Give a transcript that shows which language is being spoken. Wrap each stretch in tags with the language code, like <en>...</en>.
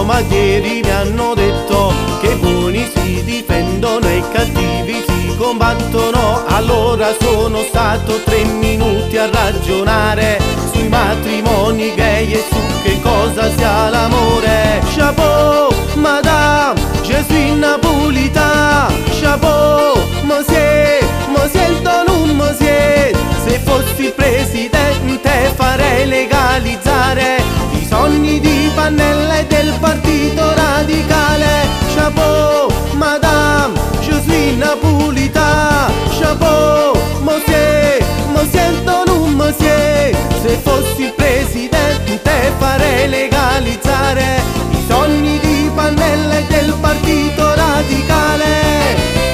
<it>Ieri mi hanno detto che i buoni si difendono e i cattivi si combattono. Allora sono stato tre minuti a ragionare sui matrimoni gay e su che cosa sia l'amore.</it> <fr>Chapeau, madame, je suis napolitain. Chapeau, monsieur, monsieur Donum, monsieur.</fr> <it>Se fossi presidente farei legalizzare sogni di Pannella e del Partito Radicale.</it> <fr>Chapeau, madame, je suis napolitain. Chapeau, monsieur, monsieur Donum, monsieur.</fr> <it>Se fossi presidente farei legalizzare i sogni di Pannella e del Partito Radicale.</it>